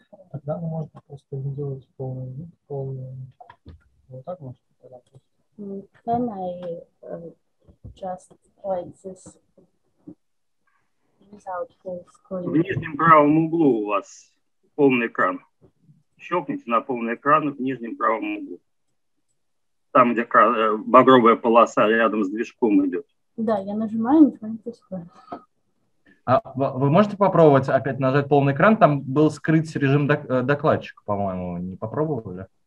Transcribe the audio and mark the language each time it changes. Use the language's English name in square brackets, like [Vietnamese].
[Russian] Тогда мы можем просто сделать полный вид, полный. Вот так можно тогда просто. [English] Can I just play this without full screen? [Russian] В нижнем правом углу у вас полный экран. [English] Okay. [Russian] щелкните на полный экран в нижнем правом углу. Там, где багровая полоса рядом с движком идет. Да, я нажимаю, ничего не происходит. А вы можете попробовать опять нажать полный экран? Там был скрыт режим докладчика, по-моему. Не попробовали?